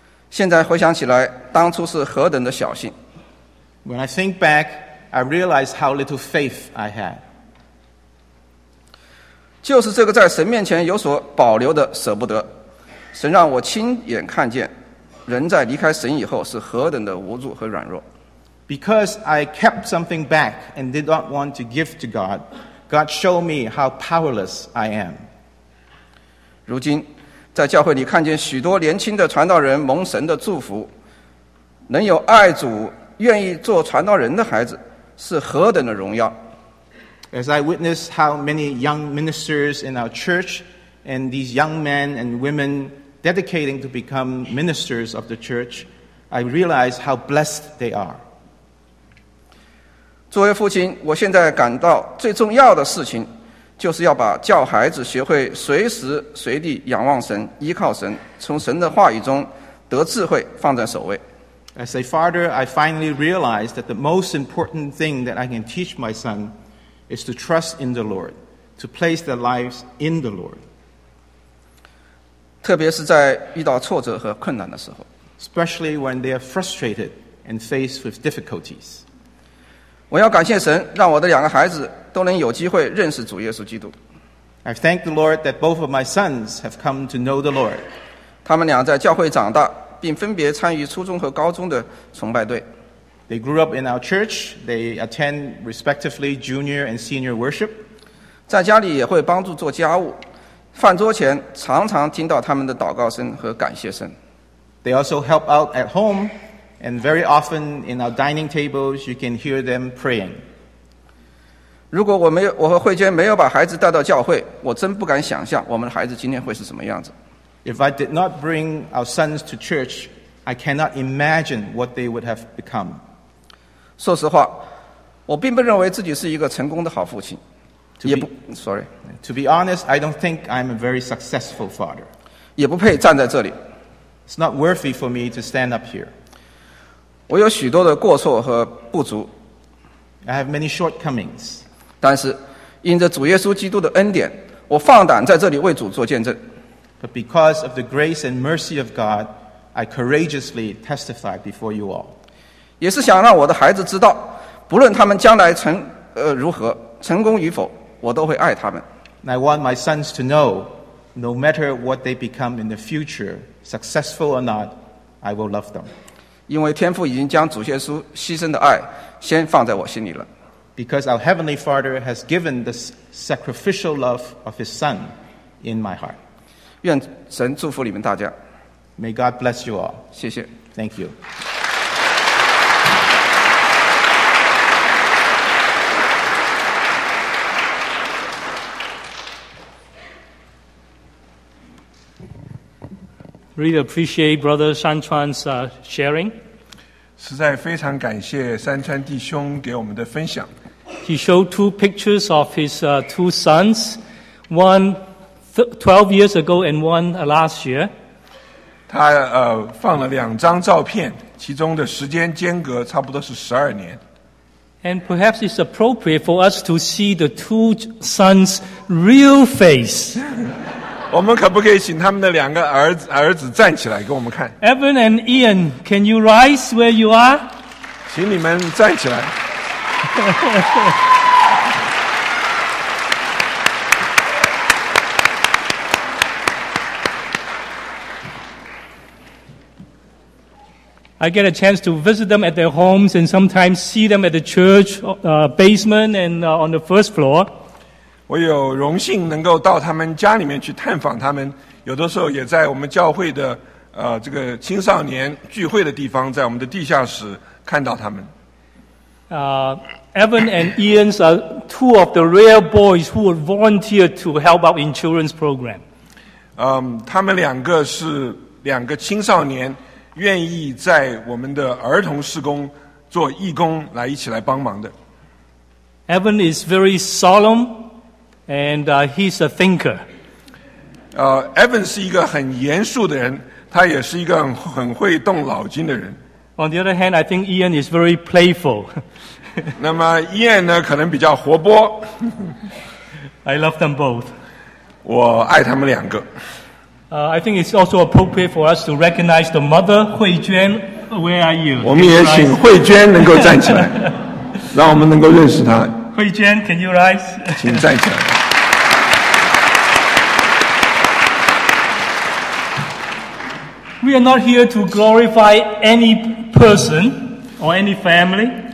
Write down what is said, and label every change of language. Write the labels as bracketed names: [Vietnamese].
[Chinese] 现在回想起来，当初是何等的小心。 [English] When I think back, I realize how little faith I had. [Chinese] 就是这个在神面前有所保留的舍不得，神让我亲眼看见。人在离开神以后是何等的无助和软弱。 [English] Because I kept something back and did not want to give to God, God showed me how powerless I am. [Chinese] 如今，在教会里看见许多年轻的传道人蒙神的祝福，能有爱主、愿意做传道人的孩子，是何等的荣耀。 [English] As I witness how many young ministers in our church and these young men and women. Dedicating to become ministers of the church, I realize how blessed they are. [Chinese] 作为父亲，我现在感到最重要的事情，就是要把教孩子学会随时随地仰望神、依靠神、从神的话语中得智慧放在首位。 [English] As a father, I finally realized that the most important thing that I can teach my son is to trust in the Lord, to place their lives in the Lord. [Chinese] 特别是在遇到挫折和困难的时候 [English] ，especially when they are frustrated and faced with difficulties， [Chinese] 我要感谢神，让我的两个孩子都能有机会认识主耶稣基督。 [English] I thank the Lord that both of my sons have come to know the Lord。 [Chinese] 他们俩在教会长大，并分别参与初中和高中的崇拜队。 [English] They grew up in our church. They attend respectively junior and senior worship。 [Chinese] 在家里也会帮助做家务。饭桌前常常听到他们的祷告声和感谢声。 [English] They also help out at home, and very often in our dining tables, you can hear them praying. [Chinese] 如果我和慧娟没有把孩子带到教会，我真不敢想象我们的孩子今天会是什么样子。 [English] If I did not bring our sons to church, I cannot imagine what they would have become. [Chinese] 说实话，我并不认为自己是一个成功的好父亲。 [English] To be honest, I don't think I'm a very successful father. [Chinese] 也不配站在这里。 [English] It's not worthy for me to stand up here. [Chinese] 我有许多的过错和不足。 [English] I have many shortcomings. [Chinese] 但是，因着主耶稣基督的恩典，我放胆在这里为主做见证。 [English] But because of the grace and mercy of God, I courageously testify before you all. [Chinese] 也是想让我的孩子知道，不论他们将来如何，成功与否，我都会爱他们。 [English] And I want my sons to know, no matter what they become in the future, successful or not, I will love them. [Chinese] 因为天父已经将主耶稣牺牲的爱先放在我心里了。 [English] Because our Heavenly Father has given the sacrificial love of His Son in my heart. [Chinese] 愿神祝福你们大家。 [English] May God bless you all. [Chinese] 谢谢。 [English] Thank you. Really appreciate Brother San Chuan's sharing. [Chinese] 实在非常感谢山川弟兄给我们的分享。 [English] He showed two pictures of his two sons, one 12 years ago and one last year. [Chinese] 他放了两张照片，其中的时间间隔差不多是十二年。 [English] And perhaps it's appropriate for us to see the two sons' real face. [Chinese] 我们可不可以请他们的两个儿子站起来给我们看 [English] ？Evan and Ian, can you rise where you are? [Chinese] 请你们站起来。 [English] I get a chance to visit them at their homes and sometimes see them at the church basement and on the first floor. [Chinese] 我有荣幸能够到他们家里面去探访他们，有的时候也在我们教会的这个青少年聚会的地方，在我们的地下室看到他们。 [English] Evan and Ian are two of the rare boys who would volunteer to help out in children's program. [Chinese] 他们两个是两个青少年，愿意在我们的儿童事工做义工来一起来帮忙的。 [English] Evan is very solemn. And he's a thinker. [Chinese] Evan 是一个很严肃的人，他也是一个很会动脑筋的人。 [English] On the other hand, I think Ian is very playful. [Chinese] 那么 Ian 呢，可能比较活泼。 [English] I love them both. [Chinese] 我爱他们两个。 [English] I think it's also appropriate for us to recognize the mother, 慧娟。 Where are you? [Chinese] 我们也请慧娟能够站起来，让我们能够认识她。 [English] 慧娟 can you rise? [Chinese] 请站起来。 [English] We are not here to glorify any person or any family.